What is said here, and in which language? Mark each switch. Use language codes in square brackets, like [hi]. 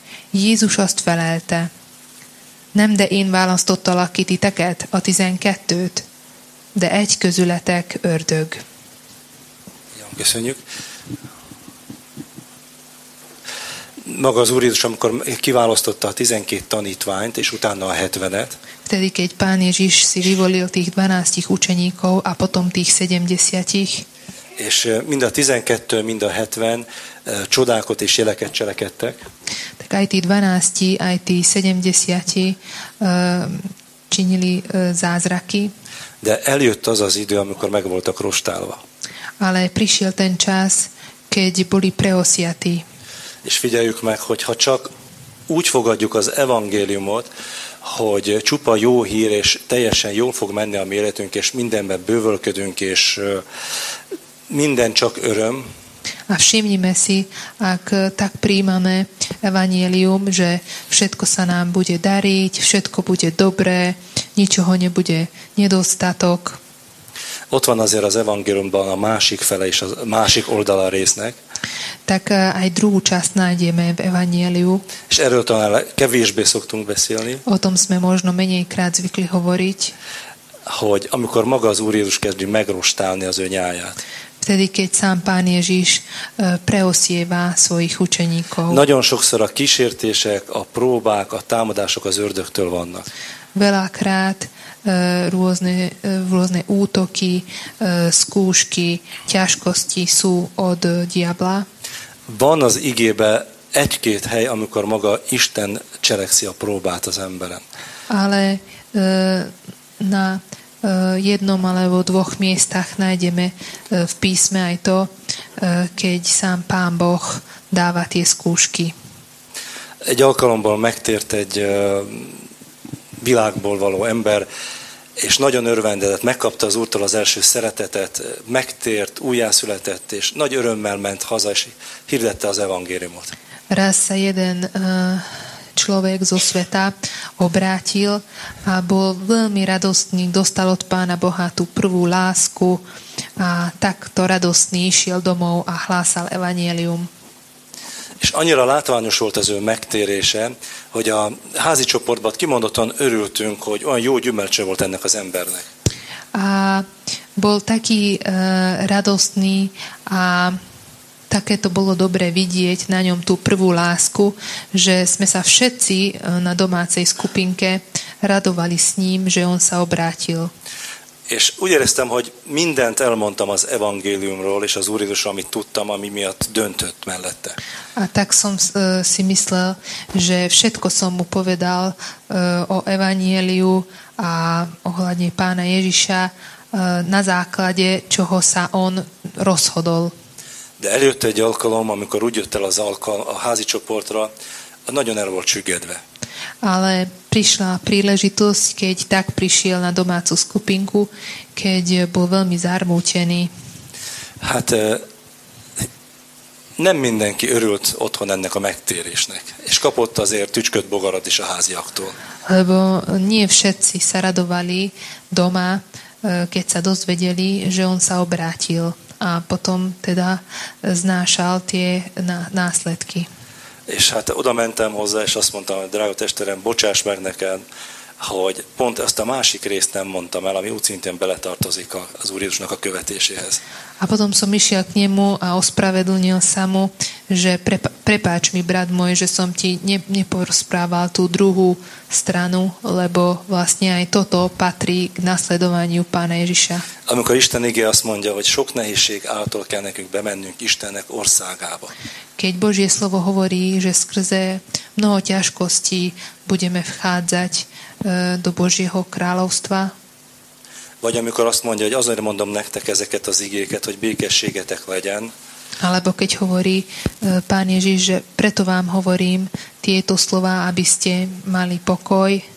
[hu] Jézus azt felelte: nem de én választottalak ki titeket, a 12-t, de egy közületek ördög. Jó, köszönjük. Maga az Úr Jézus, amikor kiválasztotta a 12 tanítványt, és utána a 70-et. [sk] Vtedy keď Pán Ježíš si vyvolil tých 12 učeníkov a potom tých 70-tich. [hu] És mind a 12, mind a 70 csodákat és jeleket cselekedtek. [sk] Tak aj tí 12, aj tí 70 činili zázraky. [hu] De eljött az az idő, amikor meg voltak rostálva. [sk] Ale prišiel ten čas, keď boli preosiatí. [hu] És figyeljük meg, hogy ha csak úgy fogadjuk az evangéliumot, hogy csupa jó hír, és teljesen jól fog menni a mi életünk, és mindenben bővölködünk, és minden csak öröm. [sk] A všimnime si, ak tak príjmame evanjelium, že všetko sa nám bude dariť, všetko bude dobré, ničoho nebude nedostatok. [hu] Ott van azért az evangéliumban a másik fele és a másik oldala résznek. [sk] Tak aj druhú časť nájdeme v evanjeliu. [hu] És erről talán kevésbé szoktunk beszélni. [sk] O tom sme možno menej krát zvykli hovoriť. [hu] Hogy amikor maga az Úr Jézus kezdi megrostálni az ő nyáját. [sk] Vtedy, keď sám Pán Ježíš preosievá svojich učeníkov. [hu] Nagyon sokszor a kísértések, a próbák, a támadások az ördögtől vannak. [sk] Veľakrát rôzne útoky, skúšky, ťažkosti sú od diabla. [hu] Van az igébe egy-két hely, amikor maga Isten cselekszi a próbát az emberen. [sk] Ale na jednom alebo dvoch miestach nájdeme v písme aj to, keď sám Pán Boh dáva tie skúšky. [hu] Egy alkalomból megtért egy világból való ember, és nagyon örvendezett, megkapta az Úrtól az első szeretetet, megtért, újjászületett, és nagy örömmel ment haza, és hirdette az evangéliumot. [sk] Rassza jeden človek zo sveta obrátil a bol veľmi radostný, dostal od Pána Boha tú prvú lásku a takto radostný išiel domov a hlásal evanjelium. [hu] És annyira látványos volt az ő megtérése, hogy a házi csoportban kimondottan örültünk, hogy olyan jó gyümölcse volt ennek az embernek. [sk] a bol taký radostný a také to bolo dobre vidieť na ňom tú prvú lásku, že sme sa všetci na domácej skupinke radovali s ním, že on sa obrátil. [hu] És úgy éreztem, hogy mindent elmondtam az evangéliumról és az Úr Jézusról, amit tudtam, ami miatt döntött mellette. [sk] A tak som si myslel, že všetko som mu povedal o evanjeliu a ohľadne pána Ježiša na základe, čoho sa on rozhodol. [hu] De eljött egy alkalom, amikor úgy jött el az alkalom, a házi csoportra, nagyon el volt csüggedve. [sk] Ale prišla príležitosť, keď tak prišiel na domácu skupinku, keď bol veľmi zarmútený. [hu] Hát nem mindenki örült otthon ennek a megtérésnek, és kapott azért tücsköt bogarat is a háziaktól. [sk] Lebo nie všetci sa radovali doma, keď sa dozvedeli, že on sa obrátil a potom teda znášal tie následky. [hu] És hát oda mentem hozzá, és azt mondtam, hogy drága testvérem, bocsáss meg nekem, hogy pont ezt a másik részt nem mondtam el, ami úgy szintén beletartozik az Úr Jézusnak a követéséhez. [sk] A potom som išiel k nemu a ospravedlnil sa mu, že prepáč mi, brat môj, že som ti neporozprával tú druhú stranu, lebo vlastne aj toto patrí k nasledovaniu Pána Ježiša. [hu] Amikor Isten ige azt mondja, hogy sok nehézség által kell nekünk bemennünk Istennek országába. [sk] Keď Božie slovo hovorí, že skrze mnoho ťažkostí budeme vchádzať do Božieho kráľovstva. [hu] Vagy amikor azt mondja, hogy azért mondom nektek ezeket az igéket, hogy békességetek legyen. [sk] Alebo keď hovorí Pán Ježiš, že preto vám hovorím tieto slová, aby ste mali pokoj.